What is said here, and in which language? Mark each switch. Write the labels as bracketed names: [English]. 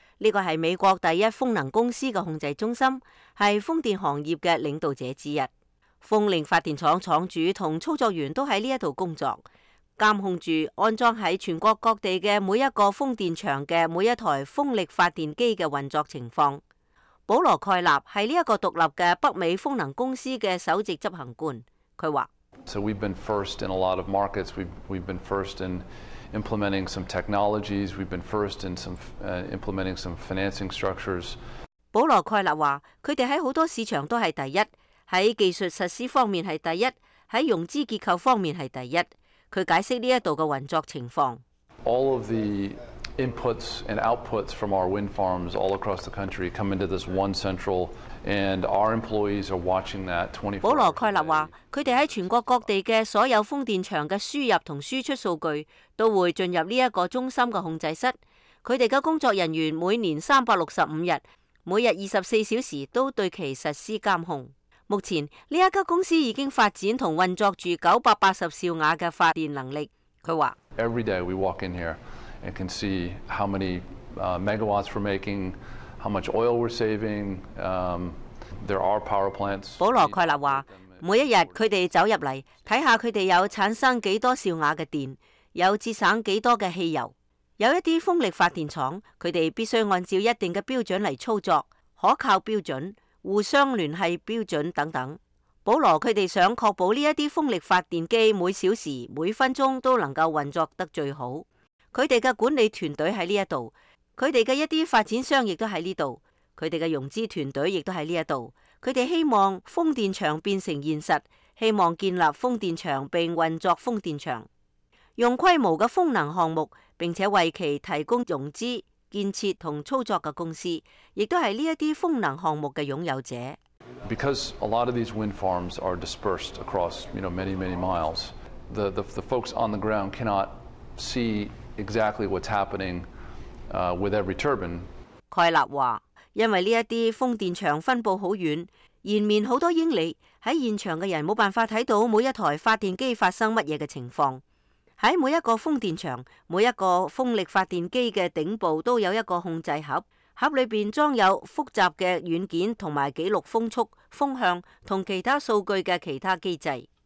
[Chinese] 这个是美国第一风能公司的控制中心，是风电行业的领导者之一。风力发电厂厂主和操作员都在这里工作。監控住安裝在全國各地的每一個風電場的每一台風力發電機的運作情況。保羅·蓋納是這個獨立的北美風能公司的首席執行官，他說 [English] So we've been first in a lot of markets. We've been first in implementing some technologies. We've been first in some implementing some financing structures. [Chinese] 保羅·蓋納說他們在很多市場都是第一，在技術實施方面是第一，在融資結構方面是第一。他解釋這裡的運作情況。 [English] All of the inputs and outputs from our wind farms all across the country come into this one central, and our employees are watching that 24/7. [Chinese] 保羅·蓋納說他們在全國各地的所有風電場的輸入和輸出數據都會進入這個中心的控制室。他們的工作人員每年365日每日24小時都對其實施監控。目前这家公司已经发展和运作着980兆瓦的发电能力。他说 [English] Every day we walk in here and can see how many megawatts we're making, how much oil we're saving, there are power plants. [Chinese] 保罗·蓋納说每一天他们走入来看看他们有产生多少兆瓦的电，有节省多少的汽油。有一些风力发电厂他们必须按照一定的标准来操作，可靠标准、互相聯繫標準等等。保羅他們想確保這些風力發電機每小時每分鐘都能夠運作得最好。他們的管理團隊在這裡，他們的一些發展商也在這裡，他們的融資團隊也在這裡。他們希望風電場變成現實，希望建立風電場並運作風電場，用規模的風能項目並且為其提供融資、建設和操作的公司，亦都是這些風能項目的擁有者。 [English] Because a lot of these wind farms are dispersed across, you know, many, many miles, the folks on the ground cannot see exactly what's happening with every turbine. [Chinese] 蓋納說，因為這些風電場分布很遠，延綿很多英里，在現場的人沒辦法看到每一台發電機發生什麼的情況。在每一个风电场，每一个风力发电机的顶部都有一个控制盒，盒里面装有复杂的软件和记录风速、风向和其他数据的其他机制。